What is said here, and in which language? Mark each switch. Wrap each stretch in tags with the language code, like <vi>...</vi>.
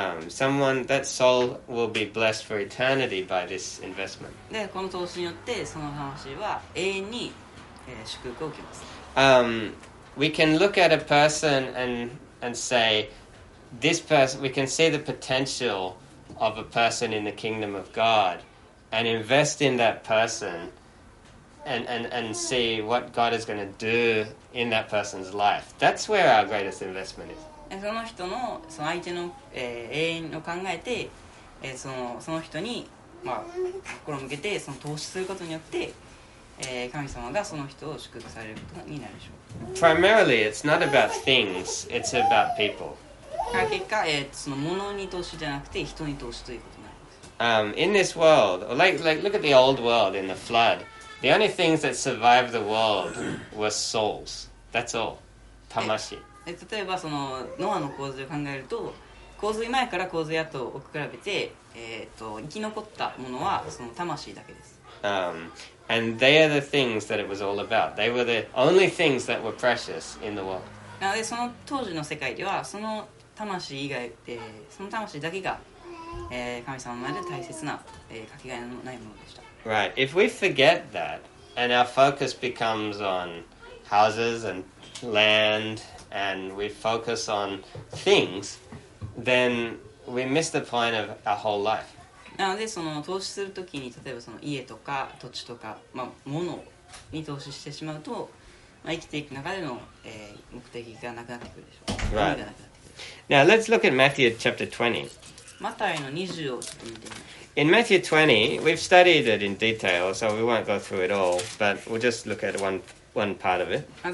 <en>Someone that soul will be blessed for eternity by this investment.</en> <ja>で、この投資によってその魂は永遠に、祝福を受けます。</ja> <en>We can look at a person and say this person. We can see the potential of a person in the kingdom of God and invest in that person and see what God is going to do in that person's life. That's where our greatest investment is.</en> <ja>その人のその相手の、永遠を考えて、その人に、まあ、心を向けてその投資することによって、神様がその人を祝福されることになるでしょう。</ja> <en>Primarily, it's not about things, it's about people.</en> <ja>結果、その物に投資じゃなくて人に投資ということになります。</ja> <en>In this world, like look at the old world in the flood. The only things that survived the world were souls. That's all. 魂。</en> <ja>例えばそのノアの洪水を考えると洪水前から洪水後を比べて、生き残ったものはその魂だけです。</ja> <en>And they are the things that it was all about. They were the only things that were precious in the world.</en> <ja>なのでその当時の世界ではその魂以外、その魂だけが、神様の前で大切な、かけがえのないものでした。</ja> <en>Right. If we forget that and our focus becomes on houses and land...And we focus on things, then we miss the point of our whole life.</en> <ja>なのでその投資するときに例えばその家とか土地とか、まあ、物に投資してしまうと、まあ、生きていく中での、目的がなくなってくるでしょう。</ja> <en>Right. Now let's look at Matthew chapter 20.</en> <ja>マタイの20をちょっと見てみます。</ja> <en>In Matthew 20, we've studied it in detail, so we won't go through it all, but we'll just look at one part of it.</en>